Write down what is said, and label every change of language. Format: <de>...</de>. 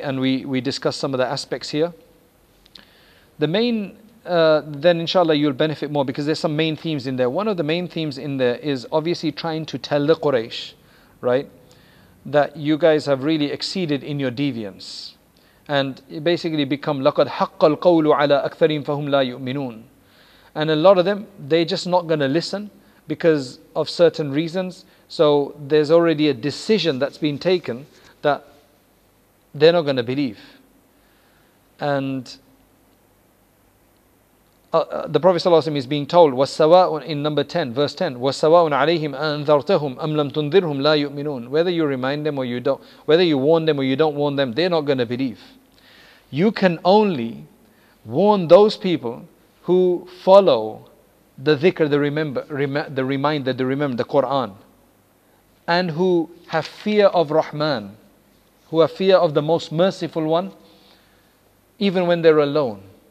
<en>And we discuss some of the aspects here. The main, then inshallah, you'll benefit more, because there's some main themes in there. One of the main themes in there is obviously trying to tell the Quraysh, right, that you guys have really exceeded in your deviance. And it basically become,</en> <ar>لَقَدْ حَقَّ الْقَوْلُ عَلَىٰ أَكْثَرِينَ فَهُمْ لَا يُؤْمِنُونَ.</ar> <en>And a lot of them, they're just not going to listen because of certain reasons. So there's already a decision that's been taken that they're not going to believe. And the Prophet ﷺ is being told,</en> <ar>وَالسَّوَاءٌ,</ar> <en>in number 10, verse 10,</en> <ar>وَالسَّوَاءٌ عَلَيْهِمْ أَنذَرْتَهُمْ أَمْ لَمْ تُنذِرْهُمْ لَا يُؤْمِنُونَ.</ar> <en>Whether you remind them or you don't, whether you warn them or you don't warn them, they're not going to believe. You can only warn those people who follow the dhikr, the reminder, the Quran, and who have fear of Rahman, who have fear of the most merciful one, even when they're alone.</en>